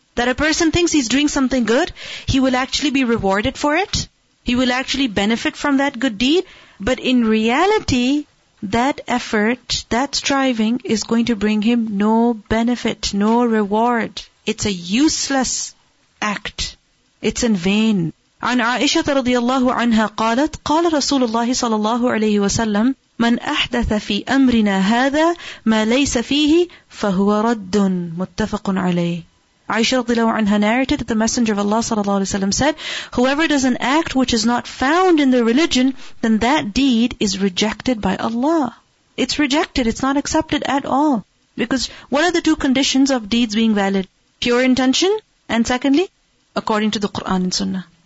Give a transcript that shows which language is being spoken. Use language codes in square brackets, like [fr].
[en] That a person thinks he's doing something good, he will actually be rewarded for it. He will actually benefit from that good deed. But in reality, that effort, that striving is going to bring him no benefit, no reward. It's a useless act. It's in vain. [ar] عن عائشة رضي الله عنها قالت قال رسول الله صلى الله عليه وسلم من أحدث في أمرنا هذا ما ليس فيه فهو رد متفق عليه. [en] Aisha radiallahu anha narrated that the Messenger of Allah sallallahu alayhi wa sallam said, whoever does an act which is not found in the religion, then that deed is rejected by Allah. It's rejected, it's not accepted at all. Because what are the two conditions of deeds being valid? Pure intention, and secondly, according to the Qur'an and Sunnah.